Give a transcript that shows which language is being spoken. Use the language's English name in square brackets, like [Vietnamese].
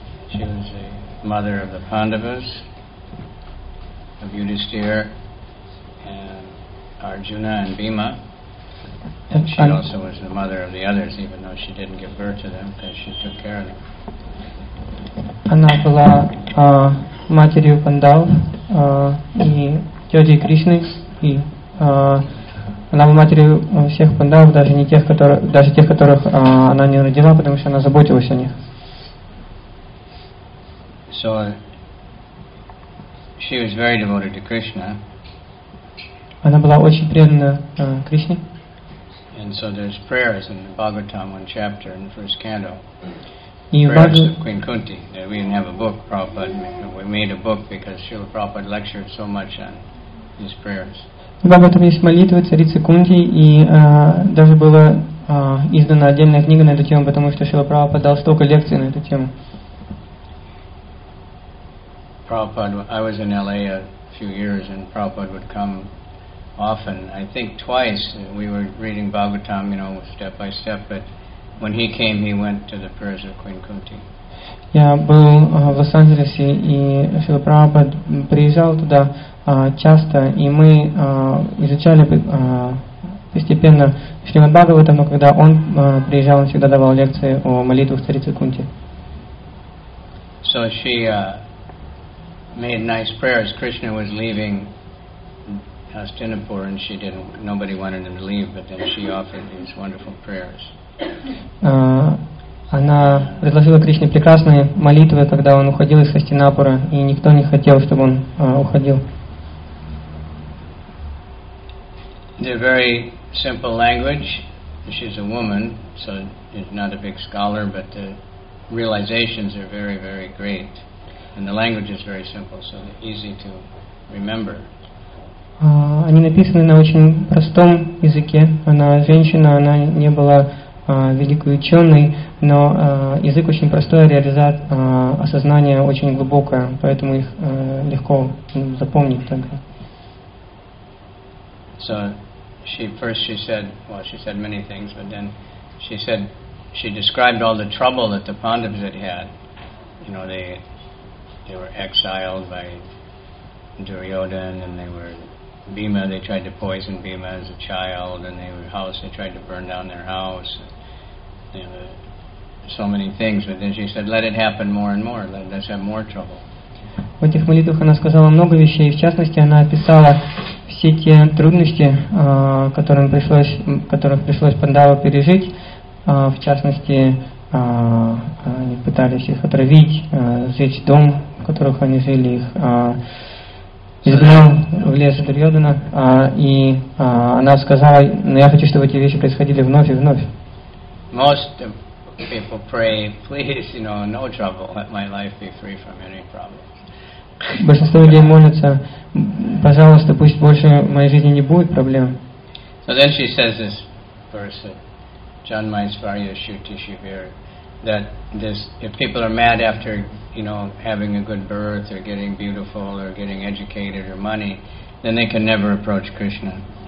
[English] She was the mother of the Pandavas, of Yudhisthira, and Arjuna and Bhima. And she also was the mother of the others, even though she didn't give birth to them, because she took care of them. [Russian] Она была матерью Пандав и тетей Кришны, и она была матерью всех Пандав, даже не тех, которые, даже тех, которых она не родила, потому что она заботилась о них. [English] So she was very devoted to Krishna. [Russian] Она была очень преданна Кришне. [English] And so there's prayers in the Bhagavatam, one chapter in the first canto. [Russian] И [English] prayers of Queen Kunti. We didn't have a book, Prabhupada. We made a book because Srila Prabhupada lectured so much on these prayers. [Russian] В Бхагаватам есть молитва царицы Кунти, и даже была издана отдельная книга на эту тему, потому что Шрила Прабхупада дал столько лекций на эту тему. [English] Prabhupada, I was in LA a few years, and Prabhupada would come often, I think twice, we were reading Bhagavatam, you know, step by step, but when he came, he went to the prayers of Queen Kunti. [Russian] Я был в Лос-Анджелесе, и Шрила Прабхупада приезжал туда часто, и мы изучали постепенно Шримад Бхагаватам, но когда он приезжал, он всегда давал лекции о молитвах царицы Кунти. [English] So she made nice prayers. Krishna was leaving Hastinapur, and she didn't. Nobody wanted him to leave, but then she offered these wonderful prayers. [Russian] Она предложила Кришне прекрасные молитвы, когда он уходил из Хастинапура, и никто не хотел, чтобы он уходил. [English] They're very simple language. She's a woman, so she's not a big scholar, but the realizations are very, very great, and the language is very simple, so easy to remember. [Russian] Они написаны на очень простом языке. Она женщина, она не была великой ученой, но язык очень простой, осознание очень глубокое, поэтому их легко запомнить также. [English] So she first she said, well, she said many things, but then she said she described all the trouble that the Pandavas had had. You know, they were exiled by Duryodhana, and they were Bhima, they tried to poison Bhima as a child, and they tried to burn down their house. You know, so many things, but then she said, let it happen more and more, let us have more trouble. [Russian] В этих молитвах она сказала много вещей, в частности, она описала все те трудности, которых пришлось Пандаву пережить, в частности, они пытались их отравить, сжечь дом, в которых они жили, их изгнал в лес Дурьодана, и она сказала, но я хочу, чтобы эти вещи происходили вновь и вновь. [English] Most people pray, please, you know, no trouble, let my life be free from any problems. [Russian] Большинство людей молятся, пожалуйста, пусть больше в моей жизни не будет проблем. [English] So then she says this verse, Janmaisvarya Shuti Shivir, that this, if people are mad after, you know, having a good birth or getting beautiful or getting educated or money, then they can never approach Krishna.